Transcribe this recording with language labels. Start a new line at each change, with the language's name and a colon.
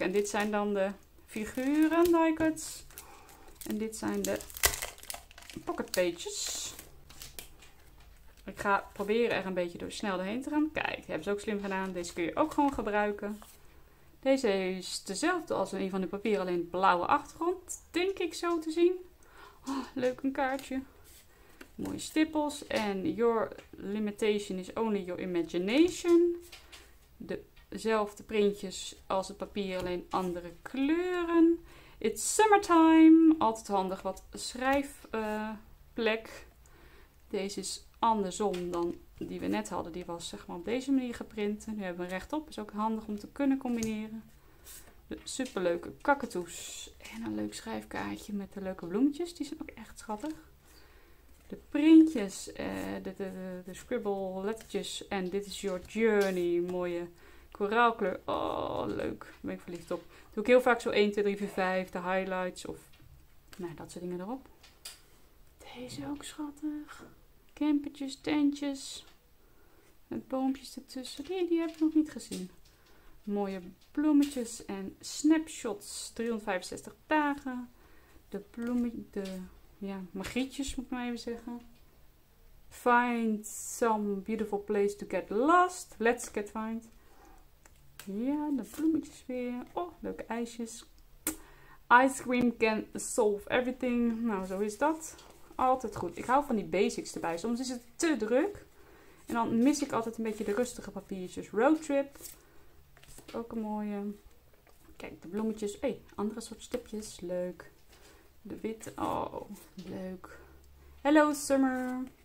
Dutch: En dit zijn dan de figuren die-cuts. En dit zijn de pocket pages. Ik ga proberen er een beetje door snel doorheen te gaan. Kijk, die hebben ze ook slim gedaan. Deze kun je ook gewoon gebruiken. Deze is dezelfde als een van de papieren, alleen blauwe achtergrond. Denk ik zo te zien. Oh, leuk een kaartje. Mooie stippels.
English: En your limitation is only your imagination.
Dutch: Dezelfde printjes als het papier, alleen andere kleuren. It's summertime. Altijd handig wat schrijfplek. Deze is andersom dan die we net hadden. Die was zeg maar op deze manier geprint. Nu hebben we hem rechtop. Is ook handig om te kunnen combineren. De superleuke kakatoes. En een leuk schrijfkaartje met de leuke bloemetjes. Die zijn ook echt schattig. De printjes. De scribble lettertjes. En dit is your journey. Mooie koraalkleur. Oh, leuk. Daar ben ik verliefd op. Dat doe ik heel vaak zo 1, 2, 3, 4, 5. De highlights of nou, dat soort dingen erop. Deze ook schattig. Campertjes, tentjes. Met boompjes ertussen. Die heb ik nog niet gezien. Mooie bloemetjes en snapshots. 365 dagen. De bloemetjes. Ja, magietjes moet ik maar even zeggen.
English: Find some beautiful place to get lost. Let's get find.
Dutch: Ja, de bloemetjes weer. Oh, leuke ijsjes. Ice cream can solve everything. Nou, zo is dat. Altijd goed. Ik hou van die basics erbij. Soms is het te druk. En dan mis ik altijd een beetje de rustige papiertjes. Roadtrip. Ook een mooie. Kijk, de bloemetjes. Hé, andere soort stipjes. Leuk. De witte. Oh, leuk. Hello, summer.